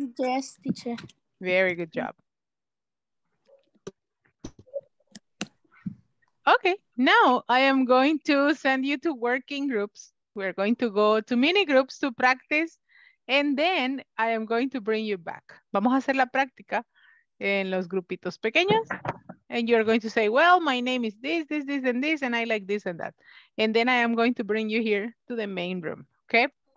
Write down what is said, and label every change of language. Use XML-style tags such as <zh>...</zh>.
<en>Yes, teacher. Very good job. Okay, now I am going to send you to working groups. We're going to go to mini groups to practice and then I am going to bring you back.</en> <es>Vamos a hacer la práctica en los grupitos pequeños.</es> <en>And you're going to say, well, my name is this, this, this, and this, and I like this and that. And then I am going to bring you here to the main room, okay?</en>